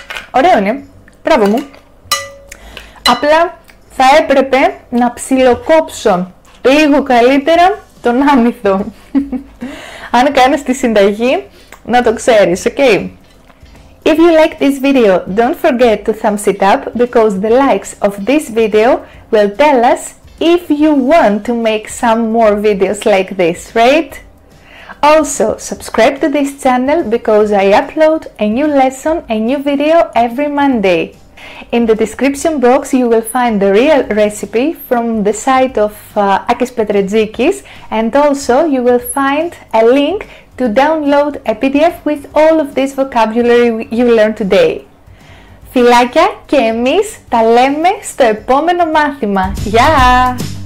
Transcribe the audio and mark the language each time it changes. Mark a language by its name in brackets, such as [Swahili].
[Greek] Ωραίο είναι, μπράβο μου. Απλά θα έπρεπε να ψιλοκόψω λίγο καλύτερα τον άμυθο. Αν κάνεις τη συνταγή, να το ξέρεις, ok. [English] If you like this video, don't forget to thumbs it up, because the likes of this video will tell us if you want to make some more videos like this, right? Also, subscribe to this channel because I upload a new lesson, a new video every Monday. In the description box, you will find the real recipe from the site of Akis Petretzikis, and also you will find a link to download a PDF with all of this vocabulary you learned today. [Greek] Φιλάκια και εμείς τα λέμε στο επόμενο μάθημα. Γεια!